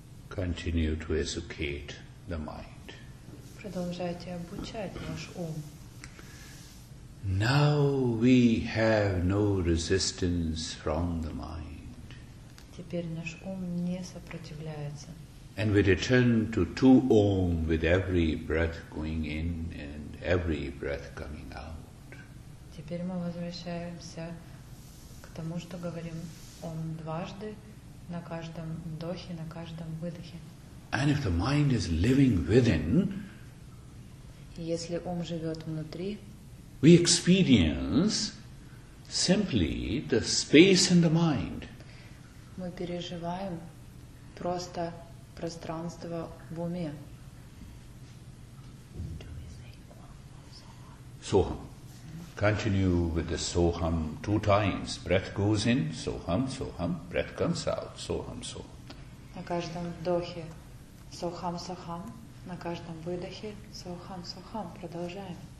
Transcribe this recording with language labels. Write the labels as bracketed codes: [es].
[en] continue to educate the mind. [ru] Продолжайте обучать ваш ум. [en] Now we have no resistance from the mind. [ru] Теперь наш ум не сопротивляется. [en] And we return to two Om with every breath going in and every breath coming out. [ru] Теперь мы возвращаемся к тому, что говорим Ом дважды на каждом вдохе, на каждом выдохе. [en] And if the mind is living within, [ru] если ум живет внутри, [en] we experience simply the space in the mind. [ru] Мы переживаем просто пространство в уме. [en] Soham. Continue with the soham two times. Breath goes in, soham, soham. Breath comes out, soham, soham. [ru] На каждом вдохе soham, soham. На каждом выдохе soham, soham. Продолжаем.